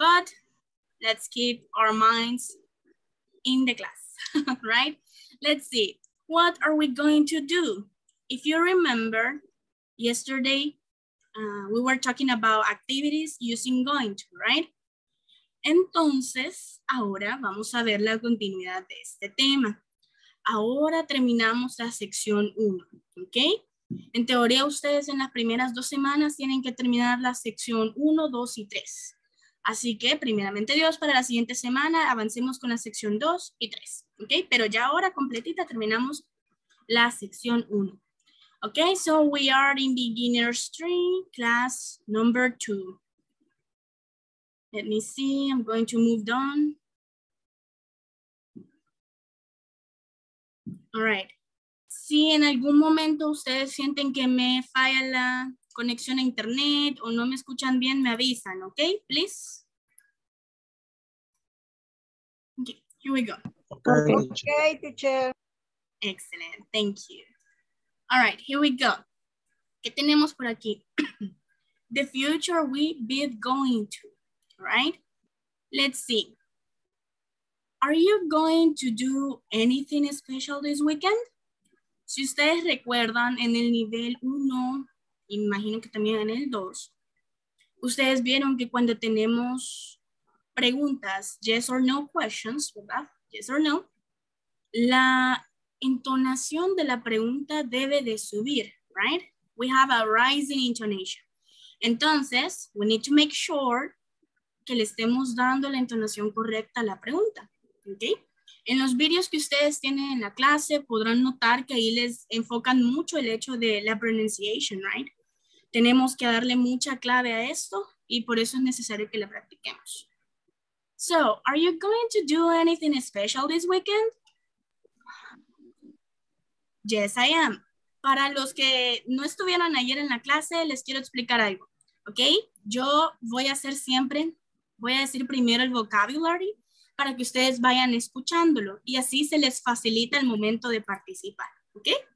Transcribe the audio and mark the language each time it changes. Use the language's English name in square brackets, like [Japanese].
[English] But let's keep our minds in the class, right? Let's see, what are we going to do? If you remember yesterday, we were talking about activities using going to, right? [Spanish] Entonces, ahora vamos a ver la continuidad de este tema. Ahora terminamos la sección 1, ¿ok? En teoría, ustedes en las primeras dos semanas tienen que terminar la sección 1, 2 y 3. Así que, primeramente Dios, para la siguiente semana avancemos con la sección 2 y 3, ¿ok? Pero ya ahora completita terminamos la sección 1. ¿Ok? [English] So we are in beginner's tree, class number 2. Let me see, I'm going to move on. All right. [Spanish] Si en algún momento ustedes sienten que me falla la conexión a internet o no me escuchan bien, me avisan, ¿ok? [English] Please. Okay, here we go. Okay, teacher. Excellent, thank you. All right, here we go. [Spanish] ¿Qué tenemos por aquí? [English] The future we be going to. Right? Let's see. Are you going to do anything special this weekend? [Spanish] Si ustedes recuerdan en el nivel 1, imagino que también en el 2, ustedes vieron que cuando tenemos preguntas, [English] yes or no questions, [Spanish] ¿verdad? [English] Yes or no, [Spanish] la entonación de la pregunta debe de subir, right? [English] We have a rising intonation. [Spanish] Entonces, [English] we need to make sure [Spanish] que le estemos dando la entonación correcta a la pregunta, ¿ok? En los videos que ustedes tienen en la clase podrán notar que ahí les enfocan mucho el hecho de la pronunciation, ¿right? Tenemos que darle mucha clave a esto y por eso es necesario que la practiquemos. [English] So, are you going to do anything special this weekend? Yes, I am. [Spanish] Para los que no estuvieron ayer en la clase, les quiero explicar algo, ¿ok? Yo voy a hacer siempre... Voy a decir primero el vocabulary para que ustedes vayan escuchándolo y así se les facilita el momento de participar, ¿ok?